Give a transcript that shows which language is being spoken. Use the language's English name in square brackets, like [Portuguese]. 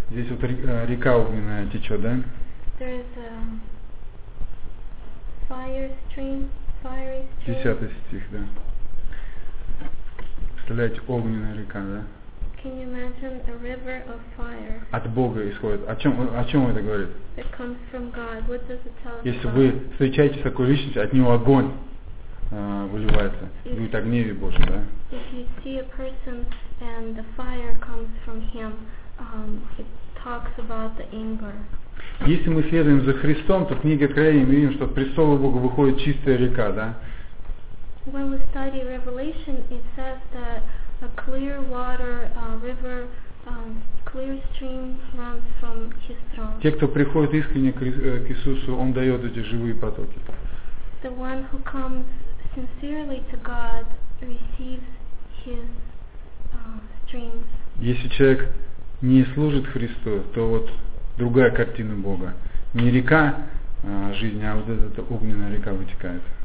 [Russian] Здесь вот река огненная течет, да? [English] There is a fire stream, fiery stream. [Russian] 10 стих, да. Представляете, огненная река, да? [English] Can you imagine a river of fire? [Russian] От Бога исходит. О чем это говорит? [English] It comes from God. What does it tell us? [Russian] Если вы встречаете с такой личностью, от него огонь выливается. Будет о гневе Божьем, да? [English] If you see a person and the fire comes from him, it talks about the anger. [Russian] Если мы следуем за Христом, то в книге Откровения мы видим, что от престола Бога выходит чистая река, да? [English] When we study Revelation, it says that a clear water, a river, clear stream runs from His throne. [Russian] Те, кто приходит искренне к Иисусу, Он дает эти живые потоки. [English] The one who comes sincerely to God receives His streams. [Russian] Если человек не служит Христу, то вот другая картина Бога. Не река жизни, а вот эта огненная река вытекает.